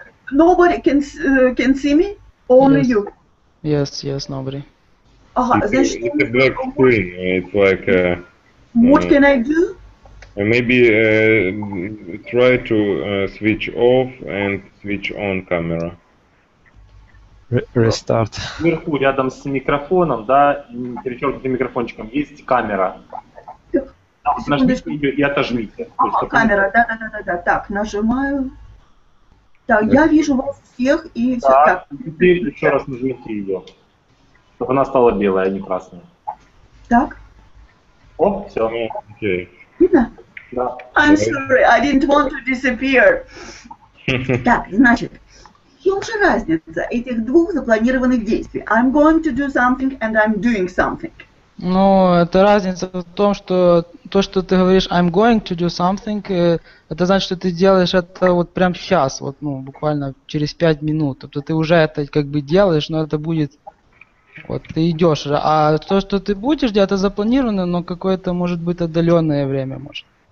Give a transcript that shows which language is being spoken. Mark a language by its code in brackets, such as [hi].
[en] Nobody can see me? Only yes. You? Yes, nobody. It's a black screen. It's like. What can I do? Maybe try to switch off and switch on camera. Restart. [ru] Вверху, рядом с микрофоном, да, перечеркнутым микрофончиком, есть камера. Нажмите ее и отожмите. Камера, да. Так, нажимаю. Так, я вижу вас всех и все. Так, теперь еще раз нажмите ее. Чтобы она стала белая, а не красная. Так. [en] Oh, tell me. Okay. Да. I'm sorry, I didn't want to disappear. [ru] Так, значит, в чем же разница этих двух запланированных действий? [en] I'm going to do something and I'm doing something. [ru] Ну, это разница в том, что то, что ты говоришь [en] I'm going to do something, [ru] это значит, что ты делаешь это вот прямо сейчас, вот, ну, буквально через 5 минут. То есть ты уже это как бы делаешь, но это будет... Вот ты идешь, а то, что ты будешь делать, это запланировано, но какое-то может быть отдаленное время, может.